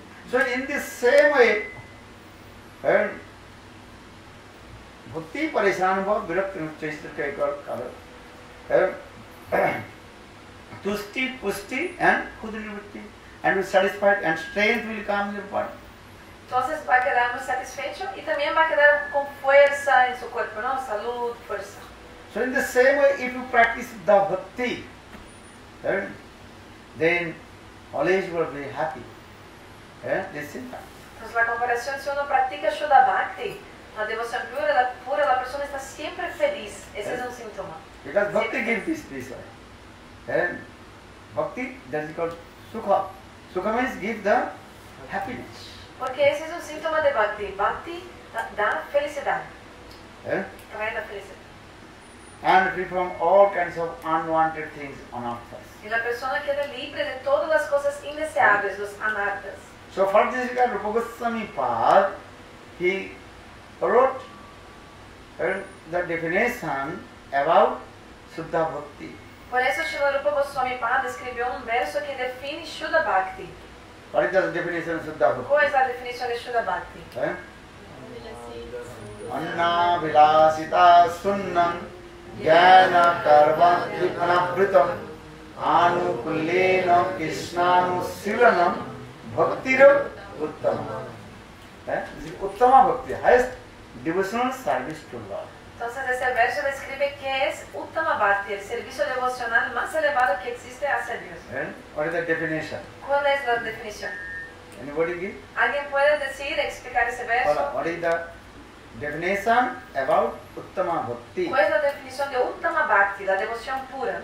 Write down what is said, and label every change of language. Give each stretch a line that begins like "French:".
English: So in the same way,
Sanskrit: bhakti parishanubha virakti nuchyaisra kaikar kalar tusti pusti
English: and khudrivitti and we satisfied and strength will come in your body.
Spanish: Entonces va a quedar muy satisfecho y también va a quedar con fuerza en su cuerpo, ¿no? Salud, fuerza.
English: So in the same way, if you practice the bhakti, then always you will be happy. This is that.
Spanish: Entonces la comparación, si uno practica Shuddha Bhakti, la devoción pura, la persona está siempre feliz. Ese es un síntoma.
English: Because bhakti gives this peace. And bhakti, that is called sukha. Sukha means give the happiness.
Spanish: Porque ese es un síntoma de bhakti. Bhakti da felicidad. Trae la felicidad.
English: And free from all kinds of unwanted things, anarthas.
Spanish: Y la persona queda libre de todas las cosas indeseables, los anarthas.
English: So for this regard, Rupa Goswami Pad, he wrote the definition about Shuddha Bhakti.
Spanish: Por eso Srila Rupa Goswami Pad escribió un verso que define Shuddha Bhakti.
English: What is the definition of Shuddha Bhakti?
Spanish: ¿Cuál es la definición de Shuddha Bhakti?
Sanskrit: Anna vilasita sunnam jnana karma anabhritam anukulena krishnanu silanam bhaktira uttama.
English: Uttama bhakti, highest devotional service to Lord.
Spanish: Entonces ese verso describe que es Uttama Bhakti, el servicio devocional más elevado que existe hacia Dios.
English: What is the definition?
Spanish: ¿Cuál es la definición?
English: Anybody give?
Spanish: ¿Alguien puede decir, explicar ese verso?
English: Hola, what is the definition about Uttama Bhakti?
Spanish: ¿Cuál es la definición de Uttama Bhakti, la devoción pura?